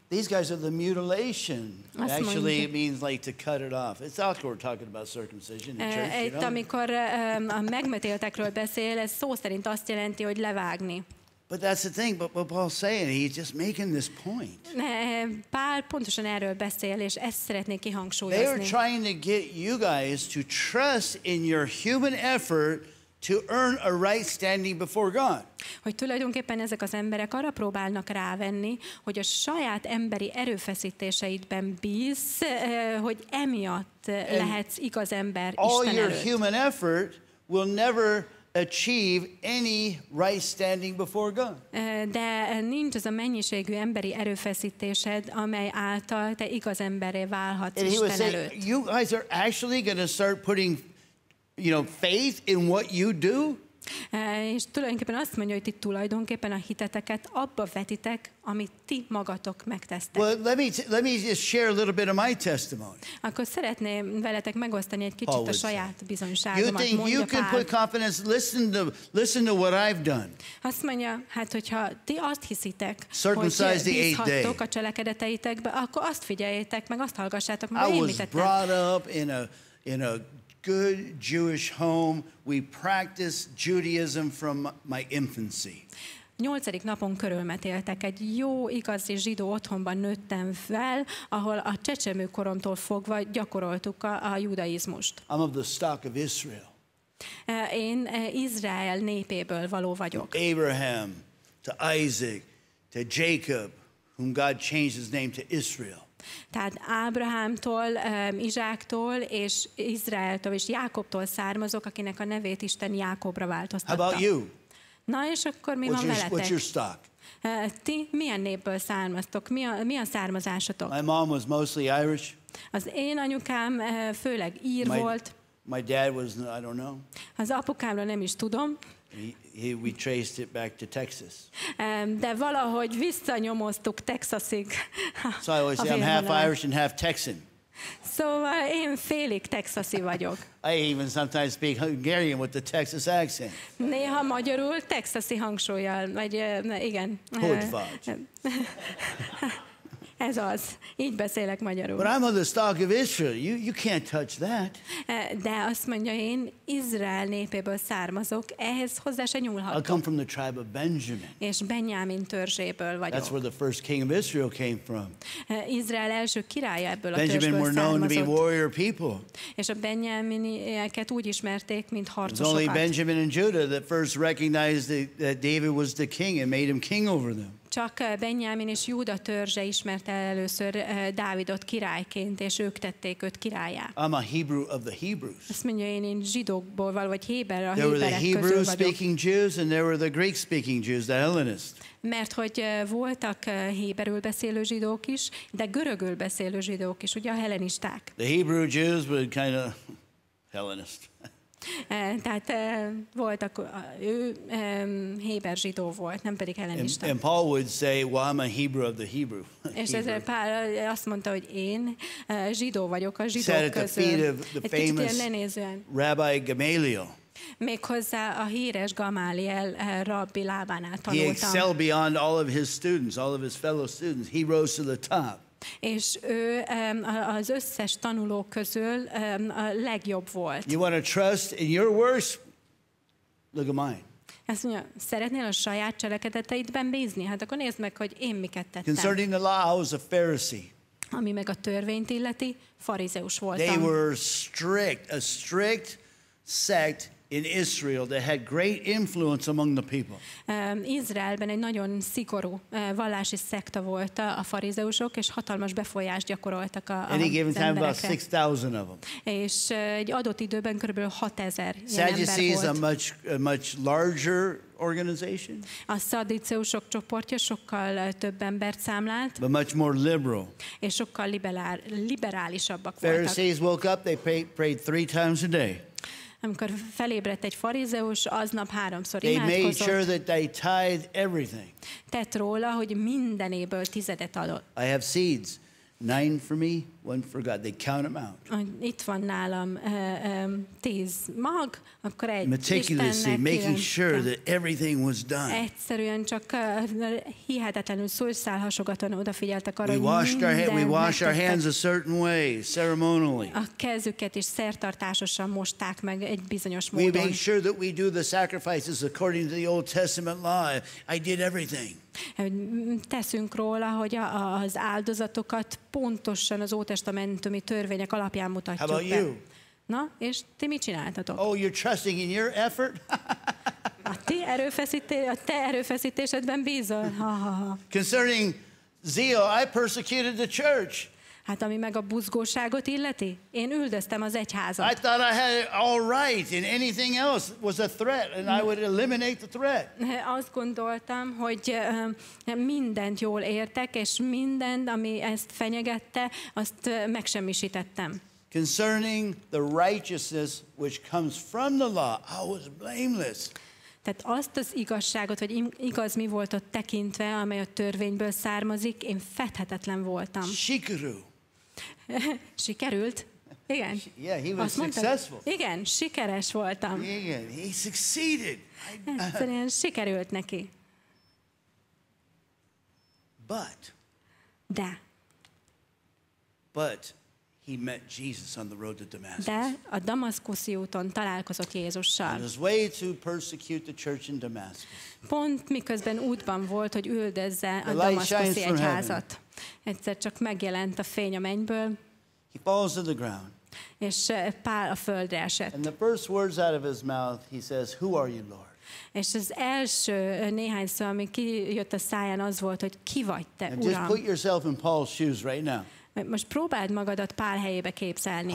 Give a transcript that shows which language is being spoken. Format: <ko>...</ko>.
<en>These guys are the mutilation.</en> <hu>Azt</hu> <en>actually</en> <hu>mondja,</hu> <en>it means like to cut it off. It's awkward talking about circumcision in church,</en> <hu>itt,</hu> <en>you know?</en> <hu>Amikor a megmetéltekről beszél, ez szó szerint azt jelenti, hogy levágni.</hu> <en>But that's the thing, but what Paul's saying, he's just making this point.</en> <hu>Pál pontosan erről beszél, és ezt szeretné kihangsúlyozni.</hu> <en>They are trying to get you guys to trust in your human effort to earn a right standing before God.</en> <hu>Hogy tulajdonképpen ezek az emberek arra próbálnak rávenni, hogy a saját emberi erőfeszítéseidben bízz, hogy emiatt lehetsz igaz ember Isten előtt.</hu> <en>All your human effort will never achieve any right standing before God.</en> <hu>De nincs az a mennyiségű emberi erőfeszítésed, amely által te igaz emberré válhatsz Isten előtt.</hu> <en>And he would say, you guys are actually going to start putting, you know, faith in what you do?</en> <hu>És tulajdonképpen azt mondja, hogy ti tulajdonképpen a hiteteket abba vetitek, amit ti magatok megtesztek.</hu> <en>Well, let me just share a little bit of my testimony.</en> <hu>Akkor szeretném veletek megosztani egy kicsit a saját bizonyságomat.</hu> <en>You think you can put confidence? Listen to what I've done.</en> <hu>Azt mondja, hát hogyha ti azt hiszitek,</hu> <en>circumcise</en> <hu>hogy bízhattok a cselekedeteitekbe, akkor azt figyeljétek meg, azt hallgassátok meg, hogy én mit tettem.</hu> <en>I was brought up in a good Jewish home. We practiced Judaism from my infancy.</en> <hu>8. napon körülmetéltek. Egy jó, igazi zsidó otthonban nőttem fel, ahol a csecsemőkoromtól fogva gyakoroltuk a judaizmust.</hu> <en>I'm of the stock of Israel.</en> <hu>Én Izrael népéből való vagyok.</hu> <en>From Abraham to Isaac to Jacob, whom God changed his name to Israel.</en> <hu>Tehát Ábrahámtól, Izsáktól és Izraeltől és Jákobtól származok, akinek a nevét Isten Jákobra változtatta.</hu> <en>How about you?</en> <hu>Na és akkor mi van veletek?</hu> <en>What's your stock?</en> <hu>Ti milyen népből származtok? Mi a származásotok?</hu> <en>My mom was mostly Irish.</en> <hu>Az én anyukám főleg ír volt.</hu> <en>My dad was, I don't know.</en> <hu>Az apukámra nem is tudom.</hu> <en>We traced it back to Texas.</en> <hu>De valahogy visszanyomoztuk Texasig.</hu> <en>So I always say I'm half Irish and half Texan.</en> <hu>Szóval én félig texasi vagyok.</hu> <en>I even sometimes speak Hungarian with the Texas accent.</en> <hu>Néha magyarul texasi hangsúlyjal, vagy igen. Ez az. Így beszélek magyarul.</hu> <en>But I'm of the stock of Israel. You can't touch that.</en> <hu>De azt mondja, én Izrael népéből származok. Ehhez hozzá se nyúlhatok.</hu> <en>I come from the tribe of Benjamin.</en> <hu>És Benjamin törzséből vagyok.</hu> <en>That's where the first king of Israel came from.</en> <hu>Izrael első királya ebből Benjamin a törzsből</hu> <en>were known</en> <hu>származott.</hu> <en>To be warrior people.</en> <hu>És a Benjaminieket úgy ismerték, mint harcosokat.</hu> <en>It's only Benjamin and Judah that first recognized that David was the king and made him king over them.</en> <hu>Csak Benjamin és Júda törzse ismerte először Dávidot királyként, és ők tették őt királyá.</hu> <en>I'm a Hebrew of the Hebrews.</en> <hu>Azt mondja, én zsidókból való, vagy héber, a héberek</hu> <en>Hebrew-speaking Jews, and there were the Greek-speaking Jews, the Hellenists.</en> <hu>Mert hogy voltak héberül beszélő zsidók is, de görögül beszélő zsidók is, ugye a hellenisták.</hu> <en>The Hebrew Jews were kind of Hellenist.</en> <hu>Tehát voltak, ő héber zsidó volt, nem pedig hellenista.</hu> <en>And Paul would say, well, I'm a Hebrew of the Hebrew.</en> <hu>És ezért Pál azt mondta, hogy én zsidó vagyok a zsidók</hu> <en>Sat at the feet of the famous Rabbi Gamaliel.</en> <hu>Méghozzá a híres Gamaliel rabbi lábánál tanultam.</hu> <en>He excelled beyond all of his students, all of his fellow students. He rose to the top.</en> <hu>És ő az összes tanulók közül a legjobb volt.</hu> <en>You want to trust in your words? Look at mine.</en> <hu>Azt mondja, szeretnél a saját cselekedeteidben bízni? Hát akkor nézd meg, hogy én miket tettem.</hu> <en>Concerning the law, I was a Pharisee.</en> <hu>Ami meg a törvényt illeti, farizeus voltam.</hu> <en>They were strict, a strict sect in Israel that had great influence among the people.</en> <hu>Izraelben egy nagyon szigorú vallási szekta volt a farizeusok, és hatalmas befolyást gyakoroltak az emberekre.</hu> <en>Any given time about 6,000 of them.</en> <hu>És egy adott időben körülbelül 6,000 ilyen ember volt.</hu> <en>Sadducees a much larger organization.</en> <hu>A szadduceusok csoportja sokkal több embert számlált.</hu> <en>But much more liberal.</en> <hu>És sokkal liberálisabbak voltak.</hu> <en>Pharisees woke up, they prayed 3 times a day.</en> <hu>Amikor felébredt egy farizeus, aznap 3-szor imádkozott.</hu> <en>They made sure that they tithed everything.</en> <hu>Tett róla, hogy mindenéből tizedet adott.</hu> <en>I have seeds. 9 for me, 1 for God. They count them out.</en> <hu>Itt van nálam 10 mag, akkor egy</hu> <en>meticulously, making sure that everything was done.</en> <hu>Egyszerűen csak hihetetlenül szószál hasogatóan odafigyeltek arra, hogy</hu> <en>we wash our hands a certain way, ceremonially.</en> <hu>A kezüket is szertartásosan mosták meg egy bizonyos módon.</hu> <en>We make sure that we do the sacrifices according to the Old Testament law. I did everything.</en> <hu>Teszünk róla, hogy az áldozatokat pontosan az ótestamentumi törvények alapján mutatjuk be.</hu> <en>How about you?</en> <hu>Na, és ti mit csináltatok?</hu> <en>Oh, you're trusting in your effort?</en> <hu>a te erőfeszítésedben bízol.</hu> <en>Concerning zeal, I persecuted the church.</en> <hu>Hát ami meg a buzgóságot illeti, én üldöztem az egyházat.</hu> <en>I thought I had it all right, and anything else was a threat, and I would eliminate the threat.</en> <hu>Azt gondoltam, hogy mindent jól értek, és mindent, ami ezt fenyegette, azt megsemmisítettem.</hu> <en>Concerning the righteousness which comes from the law, I was blameless.</en> <hu>Tehát azt az igazságot, vagy igaz mi volt ott tekintve, amely a törvényből származik, én fedhetetlen voltam. Sikerült. Igen.</hu> <en>Yeah, he was successful.</en> <hu>Igen, sikeres voltam.</hu> <en>Igen, he succeeded.</en> <hu>Egyszerűen sikerült neki.</hu> <en>But.</en> <hu>De.</hu> <en>But. He met Jesus on the road to Damascus.</en> <hu>De a damaszkuszi úton találkozott Jézussal.</hu> <en>On his way to persecute the church in Damascus.</en> <hu>Pont miközben útban volt, hogy üldözze a damaszkuszi egyházat. Egyszer csak megjelent a fény a mennyből.</hu> <en>He falls to the ground.</en> <hu>És Pál a földre esett.</hu> <en>And the first words out of his mouth, he says, "Who are you, Lord?"</en> <hu>És az első néhány szó, ami kijött a száján, az volt, hogy ki vagy te, Uram?</hu> <en>Just put yourself in Paul's shoes right now.</en> <hu>Most próbáld magadat Pál helyébe képzelni.</hu>